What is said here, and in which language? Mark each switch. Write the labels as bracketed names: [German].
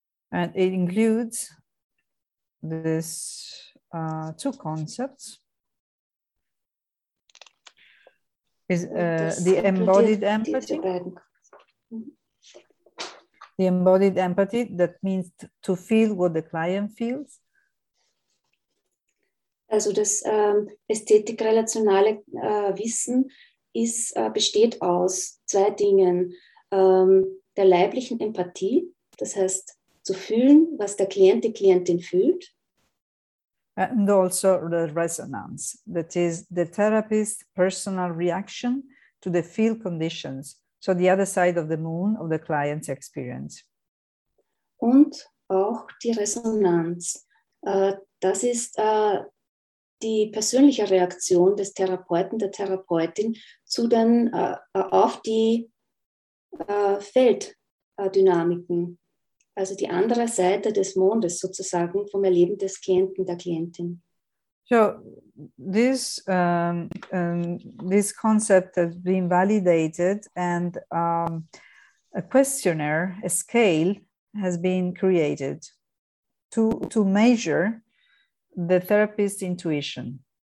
[English] And it includes this two concepts. Is the embodied empathy? The embodied empathy, that means to feel what the client feels. [German] Also das ästhetik-relationale Wissen besteht aus zwei Dingen. Der leiblichen Empathie, das heißt zu fühlen, was der Klient, die Klientin fühlt. [English] And also the resonance, that is the therapist's personal reaction to the field conditions. So the other side of the moon of the client's experience. [German] Und auch die Resonanz. Das ist die persönliche Reaktion des Therapeuten, der Therapeutin zu den auf die Felddynamiken. Also die andere Seite des Mondes sozusagen vom Erleben des Klienten, der Klientin. [English] So this concept has been validated and a questionnaire, a scale, has been created to measure the therapist's intuition.